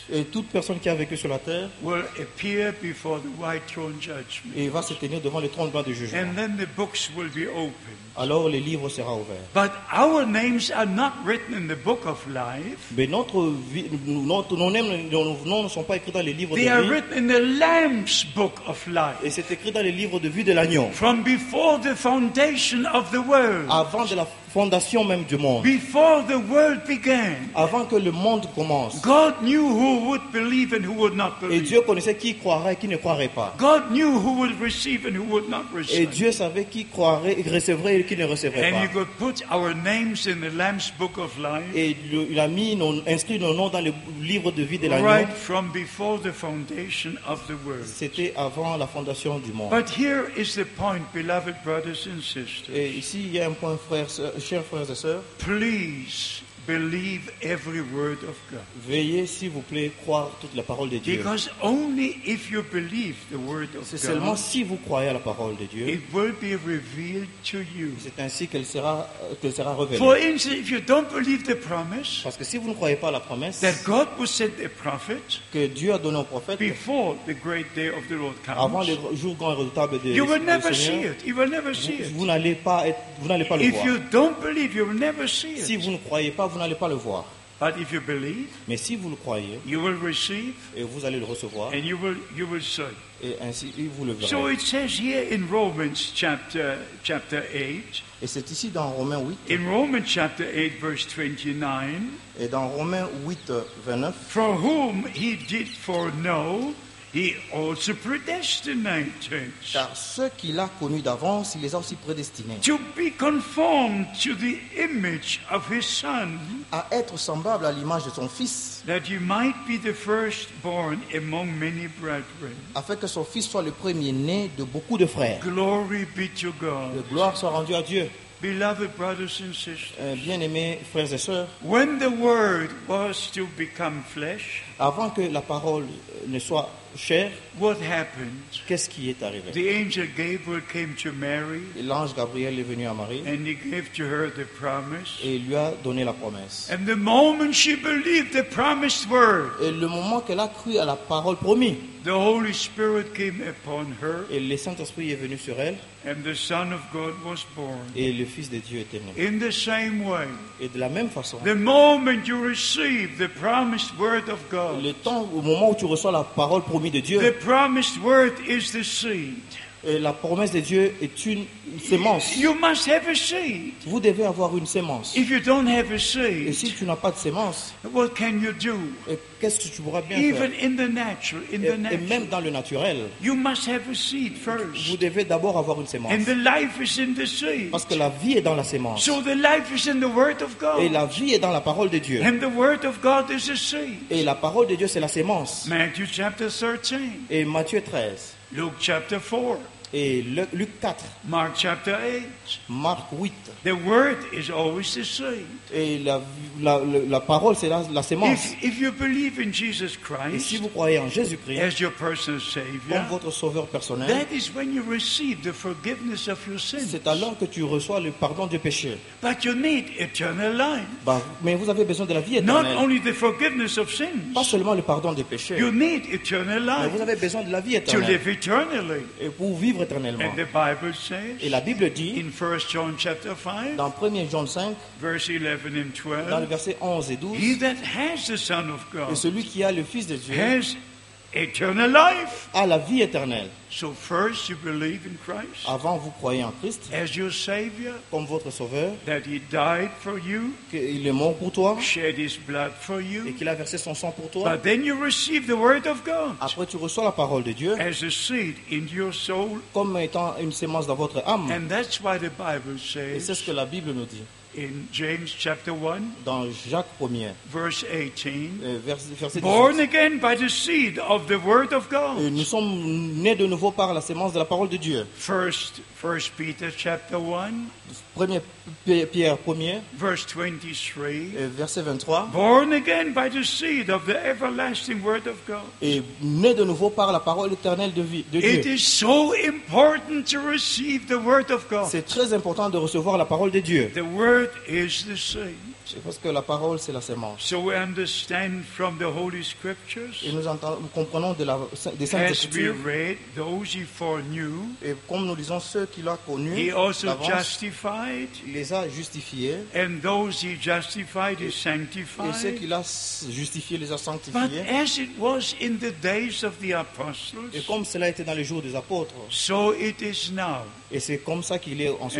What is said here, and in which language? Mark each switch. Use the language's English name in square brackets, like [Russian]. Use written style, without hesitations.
[French] Et toute personne qui a vécu sur la terre [English] will appear before the white throne judgment. [French] Et va se tenir devant le trône blanc du jugement. [English] And then the books will be opened. [French] Alors les livres seront ouverts. [English] But our names are not written in the book of life. [French] Mais nos noms ne sont pas écrits dans les livres [English] they [French] de vie. [English] They are written in the Lamb's book of life. [French] Et c'est écrit dans les livres de vie de l'agneau. [English] From before the foundation of the world. [French] Avant de la fondation même du monde. [English] Before the world began. [French] Avant que le monde commence. [English] God knew who would believe and who would not believe. [French] Et Dieu connaissait qui croirait et qui ne croirait pas. [English] God knew who would receive and who would not receive. [French] Et Dieu savait qui croirait et recevrait et qui ne recevrait [English] and [French] pas. [English] And he could put our names in the Lamb's book of life. [French] Et il a inscrit nos noms dans le livre de vie de l'agneau. [English] Right from before the foundation of the world. [French] C'était avant la fondation du monde. [English] But here is the point, beloved brothers and sisters. [French] Et ici il y a un point, frères. Chers frères et sœurs, [English] please believe every word of God. [French] Veuillez s'il vous plaît croire toute la parole de Dieu. [English] Because only if you believe the word of God. [French] C'est seulement si vous croyez à la parole de Dieu. [English] It will be revealed to you. [French] C'est ainsi qu'elle sera révélée. [English] For instance, if you don't believe the promise. [French] Parce que si vous ne croyez pas à la promesse. [English] That God will send a prophet. [French] Que Dieu a donné un prophète. [English] Before the great day of the Lord comes. [French] Avant le jour grand et redoutable de [English] You will never see it. You will never see it. [French] Vous n'allez pas le voir. [English] If you don't believe, you will never see it. [French] Si vous ne croyez pas, vous n'allez pas le voir. [English] But if you believe, [French] mais si vous le croyez, [English] you will receive, [French] et vous allez le recevoir, [English] and you will see. [French] Et ainsi vous le verrez. [English] So it says here in Romans chapter 8. [French] Et c'est ici dans Romains 8. [English] In Romans chapter 8 verse 29. [French] Et dans Romains 8 29. [English] For whom he did foreknow, he also predestinated. [French] Car ceux qu'il a connus d'avance, il les a aussi prédestinés. [English] To be conformed to the image of his son. [French] À être semblable à l'image de son fils. [English] That you might be the firstborn among many brethren. [French] Afin que son fils soit le premier né de beaucoup de frères. [English] Glory be to God. [French] De gloire soit rendue à Dieu. [English] Beloved brothers and sisters. [French] Bien-aimés frères et sœurs. [English] When the word was to become flesh. [French] Avant que la parole ne soit chère, [English] what happened? [French] Qu'est-ce qui est arrivé? [English] The angel Gabriel came to Mary. [French] L'ange Gabriel est venu à Marie. [English] And he gave to her the promise. [French] Et lui a donné la promesse. [English] And the moment she believed the promised word. [French] Et le moment qu'elle a cru à la parole promise. [English] The Holy Spirit came upon her. [French] Et le Saint-Esprit est venu sur elle. [English] And the Son of God was born. [French] Et le Fils de Dieu était né. [English] In the same way. [French] Et de la même façon. [English] The moment you receive the promised word of God. [French] Le temps au moment où tu reçois la parole promise de Dieu. [English] The promised word is the seed. [French] Et la promesse de Dieu est une sémence. [English] You must have a seed. [French] Vous devez avoir une sémence. [English] If you don't have a seed, [French] et si tu n'as pas de sémence, [English] what can you do? [French] Et qu'est-ce que tu pourras bien [English] even [French] faire? [English] In the natural, in [French] et, [English] the natural, [French] et même dans le naturel, [English] you must have a seed first. [French] Vous devez d'abord avoir une sémence. [English] And the life is in the seed. [French] Parce que la vie est dans la sémence. [English] So the life is in the word of God. [French] Et la vie est dans la parole de Dieu. [English] And the word of God is a seed. [French] Et la parole de Dieu, c'est la sémence. [English] Matthew chapter 13. [French] Et Matthieu 13. [English] Luke chapter 4. [French] Et Luc 4. [English] Mark chapter 8. [French] Marc 8. [English] The word is always the seed. [French] Et la parole, c'est la sémence. [English] If you believe in Jesus Christ, [French] et si vous croyez en Jésus-Christ [English] as your personal savior, [French] comme votre sauveur personnel, [English] that is when you receive the forgiveness of your sins. [French] C'est alors que tu reçois le pardon du péché. [English] But you need eternal life. [French] Bah, mais vous avez besoin de la vie éternelle. [English] Not only the forgiveness of sins, [French] pas seulement le pardon du péché. [English] You need eternal life. [French] Mais vous avez besoin de la vie éternelle. [English] To live eternally. [French] Et pour vivre [English] and the Bible says, [French] et la Bible dit, [English] in 1 John chapter 5, [French] dans 1 John 5, [English] verse 11 and 12, [French] dans le verset 11 et 12, [English] he that has the Son of God, [French] et celui qui a le Fils de Dieu, [English] has eternal life, [French] a la vie éternelle. [English] So first you believe in Christ, [French] avant vous croyez en Christ, [English] as your Savior, [French] comme votre Sauveur, [English] that he died for you, [French] qu'il est mort pour toi, [English] shed his blood for you, [French] et qu'il a versé son sang pour toi. [English] But then you receive the word of God, [French] après tu reçois la parole de Dieu, [English] as a seed in your soul, [French] comme étant une sémence dans votre âme. [English] And that's why the Bible says, [French] et c'est ce que la Bible nous dit. [English] In James chapter 1, [French] dans Jacques 1, [English] verse 18, [French] verset [English] born again by the seed of the word of God. [French] Et nous sommes nés de nouveau par la sémence de la parole de Dieu. [English] First Peter chapter 1, [French] premier Pierre 1, [English] verse 23, [French] verset 23, [English] born again by the seed of the everlasting word of God. [French] Et nés de nouveau par la parole éternelle de vie de Dieu. [English] It is so important to receive the word of God. [French] C'est très important de recevoir la parole de Dieu. [English] The word is the seed. [French] C'est parce que la parole, c'est la sémence. [English] So we understand from the Holy Scriptures, [French] et nous comprenons de des Saintes Écritures. [English] As we read, those he foreknew, [French] et comme nous lisons ceux qu'il a connus, [English] he also justified, [French] il les a justifiés. [English] And those he justified, he sanctified, [French] et ceux qu'il a justifiés, les a sanctifiés. [English] But as it was in the days of the apostles, [French] et comme cela était dans les jours des apôtres, [English] so it is now. [French] Et c'est comme ça qu'il est en ce